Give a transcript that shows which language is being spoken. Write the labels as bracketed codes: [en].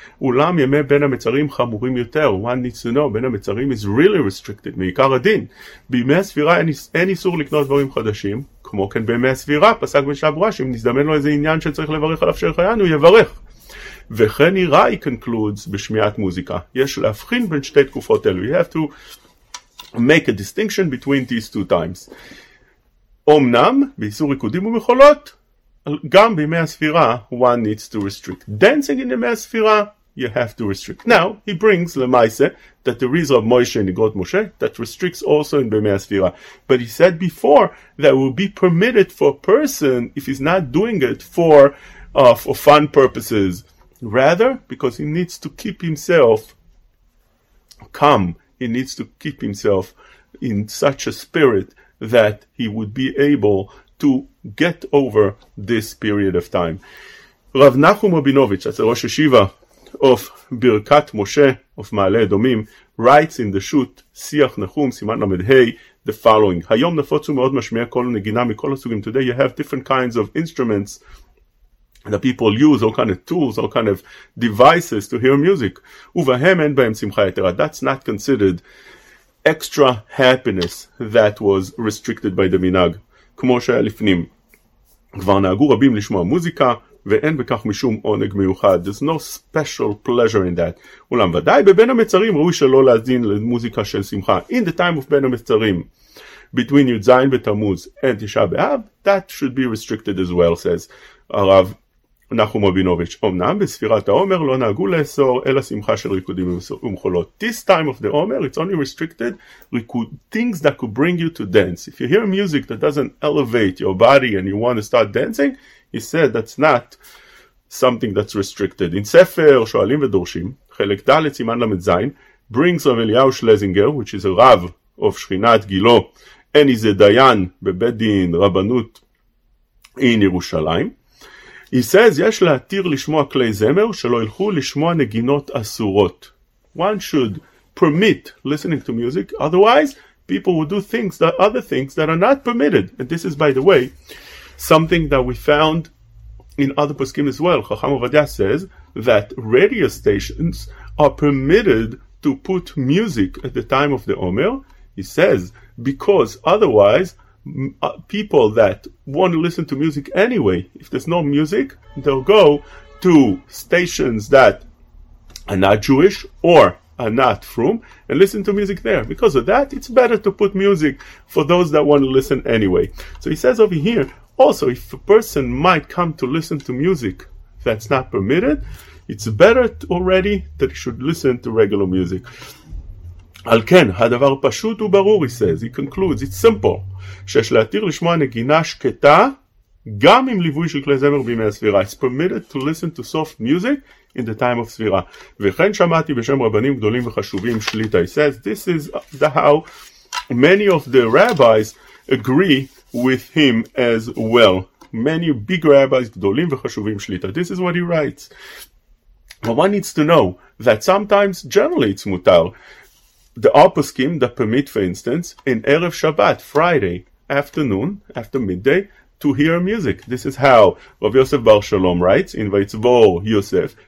[he] אולם ימי בין המצרים חמורים יותר, [en] one needs to know, [he] בין המצרים is really restricted, מעיקר הדין. בימי הספירה אין איסור לקנות דברים חדשים, כמו כן בימי הספירה, פסק בשעברה, שאם נזדמן לו איזה עניין שצריך לברך עליו של חיין, הוא יברך. וכן נראה, [en] he concludes, [he] בשמיעת מוזיקה. יש להבחין בין שתי תקופות אלו. [en] You have to make a distinction between these two times. [he] אומנם, באיסור ריקודים ומחולות, גם בימי הספירה, [en] one needs to restrict. Dancing in ימי הספירה, you have to restrict. Now, he brings, למעשה, that the reason of Moshe in Igrot Moshe, that restricts also in בימי הספירה. But he said before, that it will be permitted for a person, if he's not doing it for fun purposes. Rather, because he needs to keep himself calm. He needs to keep himself in such a spirit that he would be able to get over this period of time. Rav Nachum Rabinovich, that's the Rosh Yeshiva of Birkat Moshe of Maale Edomim, writes in the Shut, Siach Nachum, Siman Lamed Hei, the following. [he] Hayom nafotsu meod mashmiya kol negina mikol hasugim. [en] Today you have different kinds of instruments that people use, all kind of tools, all kind of devices to hear music. [he] Uvahem en bahem simcha yetera. [en] That's not considered extra happiness that was restricted by the minag. [he] כמו שהיה לפנים. כבר נהגו רבים לשמוע מוזיקה, ואין בכך משום עונג מיוחד. [en] There's no special pleasure in that. [he] אולם ודאי, בבין המצרים ראוי שלא להזין למוזיקה של שמחה. [en] In the time of בין המצרים, between י' זין בתמוז and תשעה באב, that should be restricted as well, says הרב נחום רבינוביץ'. [he] אמנם בספירת העומר לא נהגו לאסור, אלא שמחה של ריקודים ומחולות. [en] This time of the עומר, it's only restricted things that could bring you to dance. If you hear music that doesn't elevate your body and you want to start dancing, he said that's not something that's restricted. In ספר שואלים ודורשים, חלק ד' סימן ל"ז, brings רב אליהו שלזינגר, which is a רב of שכינת גילו, and he's a דיין בבית דין רבנות in ירושלים. He says, [he] יש להתיר לשמוע כלי זמר, שלא ילכו לשמוע נגינות אסורות. [en] One should permit listening to music, otherwise people will do things that other things that are not permitted. And this is, by the way, something that we found in other poskim as well. Chacham Avadia says that radio stations are permitted to put music at the time of the Omer. He says, because otherwise people that want to listen to music anyway, if there's no music, they'll go to stations that are not Jewish or are not from and listen to music there. Because of that, it's better to put music for those that want to listen anyway. So he says over here, also, if a person might come to listen to music that's not permitted, it's better already that he should listen to regular music. [he] על כן, הדבר פשוט וברור, [en] he says, he concludes, it's simple, [he] שיש להתיר לשמוע נגינה שקטה, גם עם ליווי של כלי זמר בימי הספירה. [en] It's permitted to listen to soft music in the time of ספירה. [he] וכן שמעתי בשם רבנים גדולים וחשובים שליטה, [en] he says, this is how many of the rabbis agree with him as well. Many big rabbis [he] גדולים וחשובים שליטה. [en] This is what he writes. But one needs to know that sometimes generally it's mutar. The opuskim that permit, for instance, in Erev Shabbat, Friday afternoon, after midday, to hear music. This is how Rav Yosef Bar Shalom writes in Vayitzvor Yosef.